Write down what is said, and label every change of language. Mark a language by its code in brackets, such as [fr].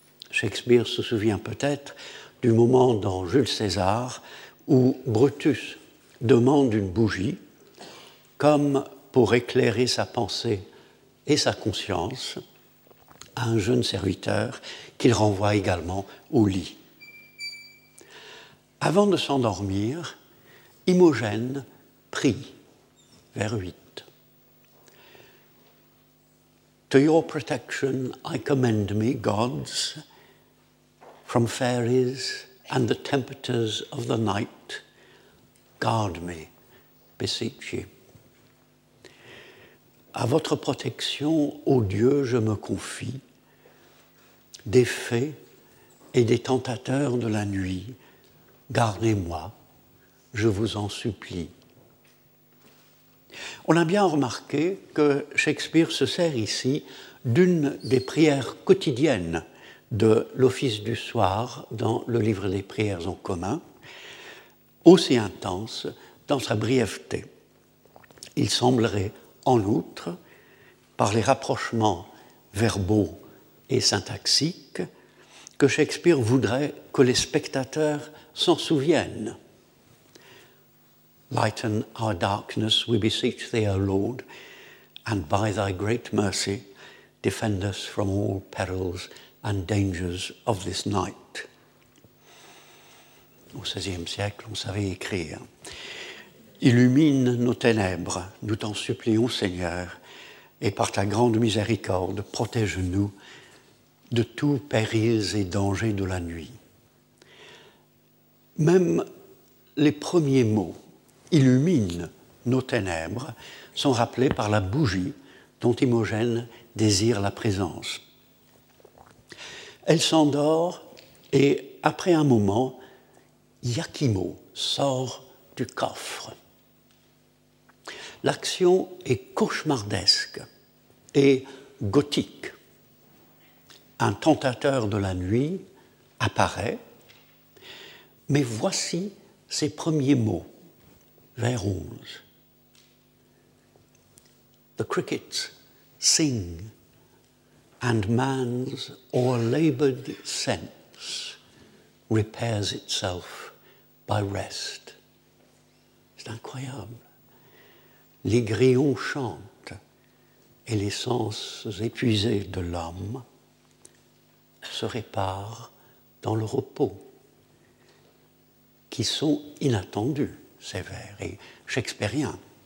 [fr] Shakespeare se souvient peut-être du moment dans Jules César où Brutus demande une bougie comme pour éclairer sa pensée et sa conscience à un jeune serviteur qu'il renvoie également au lit. Avant de s'endormir, Imogène prie, vers 8. [en] To your protection I commend me, gods, from fairies and the tempters of the night, guard me, beseech you. [fr] À votre protection, ô Dieu, je me confie. Des fées et des tentateurs de la nuit, gardez-moi, je vous en supplie. On a bien remarqué que Shakespeare se sert ici d'une des prières quotidiennes de l'Office du soir dans le livre des prières en commun, aussi intense dans sa brièveté. Il semblerait en outre, par les rapprochements verbaux et syntaxiques, que Shakespeare voudrait que les spectateurs s'en souviennent. [en] Lighten our darkness, we beseech thee, O Lord, and by thy great mercy, defend us from all perils and dangers of this night. [fr] Au XVIe siècle, on savait écrire. Illumine nos ténèbres, nous t'en supplions, Seigneur, et par ta grande miséricorde, protège-nous de tous périls et dangers de la nuit. Même les premiers mots illuminent nos ténèbres, sont rappelés par la bougie dont Imogène désire la présence. Elle s'endort et, après un moment, Iachimo sort du coffre. L'action est cauchemardesque et gothique. Un tentateur de la nuit apparaît, mais voici ses premiers mots, vers 11. [en] The crickets sing, and man's o'erlabored sense repairs itself by rest. [fr] C'est incroyable. Les grillons chantent et les sens épuisés de l'homme se réparent dans le repos, qui sont inattendus, sévères et shakespeariens.